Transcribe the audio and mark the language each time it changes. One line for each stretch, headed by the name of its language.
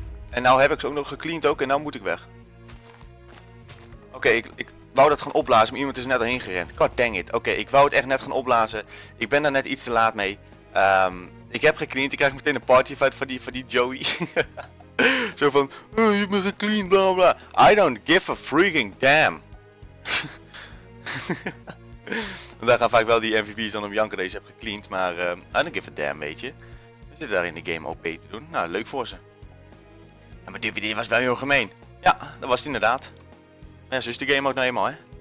Dutch: En nou heb ik ze ook nog gecleaned ook en nou moet ik weg. Oké, ik wou dat gaan opblazen, maar iemand is net erheen gerend.
English: God dang it.
Dutch: Oké, ik wou het echt net gaan opblazen. Ik ben daar net iets te laat mee. Ik heb gecleaned, ik krijg meteen een party fight van die Joey. Zo van, oh, je hebt me gecleaned, bla bla.
English: I don't give a freaking damn.
Dutch: Daar gaan vaak wel die MVP's dan om janken deze heb gecleaned, maar
English: I don't give a damn,
Dutch: weet je. We zitten daar in de game OP te doen. Nou, leuk voor ze. Ja, maar DVD was wel heel gemeen. Ja, dat was het inderdaad. Maar ja, zo is de game ook nou eenmaal, hè.